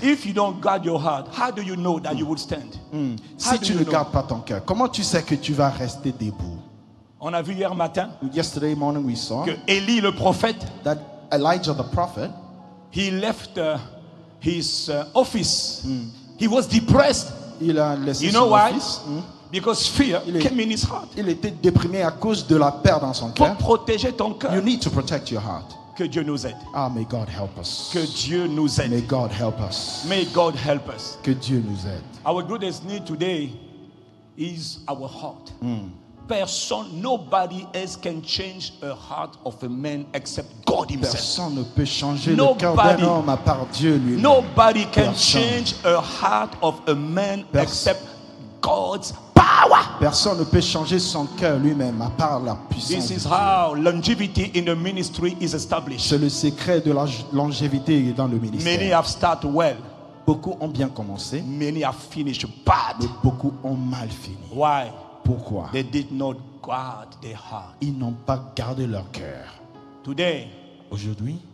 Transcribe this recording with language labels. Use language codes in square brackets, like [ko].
[en] If you don't guard your heart, how do you know that you would stand? [fr] Si tu ne gardes pas ton cœur, comment tu sais que tu vas rester debout? On a vu hier matin. [en] Yesterday morning we saw. [fr] Que Élie le prophète. [en] That Elijah the prophet. He left his office. He was depressed. [fr] Il a laissé [en] you [fr] son [en] know why? [fr] Office. [en] Because fear came in his heart. [fr] Il était déprimé à cause de la peur dans son cœur. Pour protéger ton cœur. [en] You need to protect your heart. [fr] Que Dieu nous aide. [en] Ah, may God help us. [fr] Que Dieu nous aide. [en] May God help us. May God help us. [fr] Que Dieu nous aide. [en] Our greatest need today is our heart. Person, nobody else can change a heart of a man except God himself. [fr] Personne ne peut changer le cœur d'un homme à part Dieu lui-même. [en] Nobody can change a heart of a man except God's power. [fr] Personne ne peut changer son cœur lui-même à part la puissance. [en] This is how longevity in the ministry is established. [fr] C'est le secret de la longévité dans le ministère. [en] Many have started well. [fr] Beaucoup ont bien commencé. [en] Many have finished bad. [fr] Mais beaucoup ont mal fini. [en] Why? [fr] Pourquoi? [en] They did not guard their heart. [fr] Ils n'ont pas gardé leur cœur. [en] Today, [fr] aujourd'hui,